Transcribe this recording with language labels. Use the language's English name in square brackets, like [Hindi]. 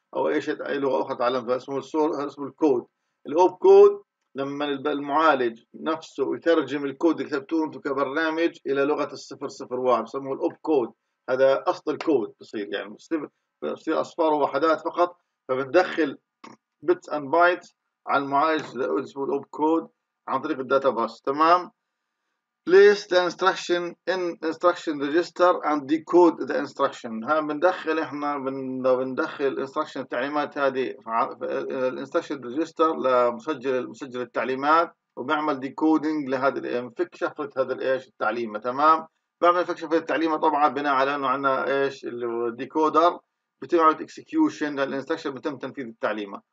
[Arabic] او ايش اي لغه اخرى تعلمها، اسمه السور، اسمه الكود. الاوب كود لما المعالج نفسه يترجم الكود اللي كتبته انت كبرنامج الى لغه الصفر صفر واحد، يسموه الاوب كود. هذا اصل الكود بصير، يعني بصير اصفار ووحدات فقط، فبتدخل بت اند بايت على المعالج اللي اسمه الاوب كود عن طريق الداتا باس. تمام. [English] place the instruction in instruction register and decode the instruction. [Arabic] ها بندخل احنا بندخل instruction التعليمات هذه instruction register لمسجل مسجل التعليمات، وبعمل decoding لهذا انكشف هذا الايش التعليمة. تمام. بعمل انكشف التعليمة طبعا بناء على انه عندنا ايش الديكودر، بتعمل execution للانستركشن، بتم تنفيذ التعليمة.